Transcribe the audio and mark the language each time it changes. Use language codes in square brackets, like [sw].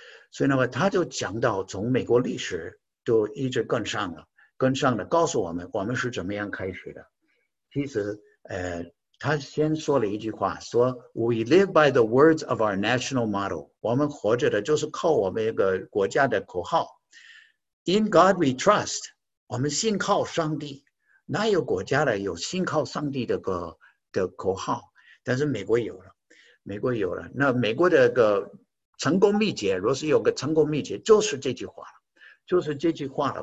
[zh] 所以那么他就讲到从美国历史就一直跟上了，跟上了，告诉我们我们是怎么样开始的。其实他先说了一句话，说 [en] "We live by the words of our national motto." [zh] 我们活着的就是靠我们一个国家的口号。 [en] In God we trust， [zh] 我们信靠上帝，哪有国家的有信靠上帝的口号？但是美国有了，美国有了。那美国的个成功秘诀，若是有个成功秘诀，就是这句话了，就是这句话了。